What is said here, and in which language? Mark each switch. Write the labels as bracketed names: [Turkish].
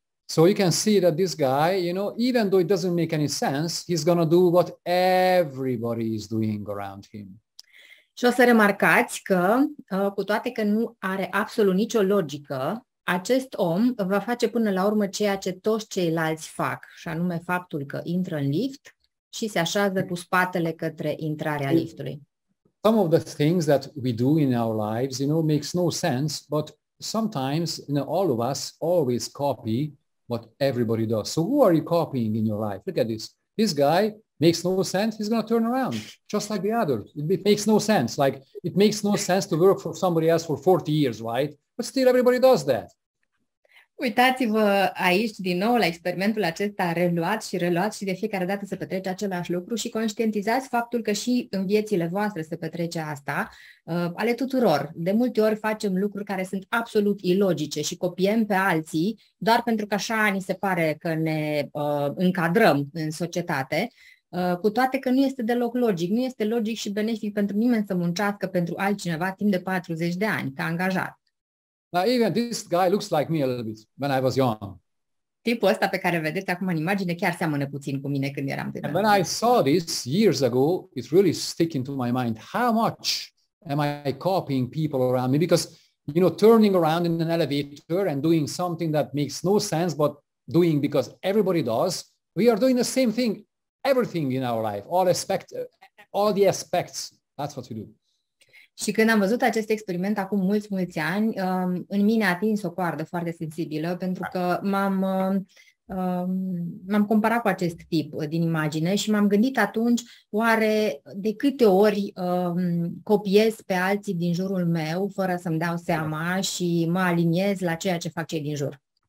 [English] So you can see that this guy, you know, even though it doesn't make any sense, he's going to do what everybody is doing around him. [Romanian] Și o să remarcați că, cu toate că nu are absolut nicio logică, acest om va face până la urmă ceea ce toți ceilalți fac, și anume faptul că intră în lift și se așează cu spatele către intrarea liftului. [English] Some of the things that we do in our lives, you know, makes no sense, but sometimes, you know, all of us always copy what everybody does. So who are you copying in your life? Look at this. This guy makes no sense. He's going to turn around just like the other. It makes no sense. Like it makes no sense to work for somebody else for 40 years, right? But still everybody does that. [Romanian] Uitați-vă aici din nou la experimentul acesta reluat și reluat și de fiecare dată se petrece același lucru și conștientizați faptul că și în viețile voastre se petrece asta, ale tuturor. De multe ori facem lucruri care sunt absolut ilogice și copiem pe alții doar pentru că așa ni se pare că ne încadrăm în societate, cu toate că nu este deloc logic. Nu este logic și benefic pentru nimeni să muncească pentru altcineva timp de 40 de ani ca angajat. [English] Now even this guy looks like me a little bit when I was young. [Romanian] Tipul ăsta pe care vedeți acum în imagine chiar seamănă puțin cu mine când eram tânăr. [English] When I saw this years ago, it really stuck into my mind. How much am I copying people around me? Because, you know, turning around in an elevator and doing something that makes no sense, but doing because everybody does, we are doing the same thing, everything in our life, all the aspects, that's what we do. [Romanian] Și când am văzut acest experiment acum mulți, mulți ani, în mine a atins o coardă foarte sensibilă pentru că m-am comparat cu acest tip din imagine și m-am gândit atunci, oare de câte ori copiez pe alții din jurul meu fără să-mi dau seama și mă aliniez la ceea ce fac cei din jur.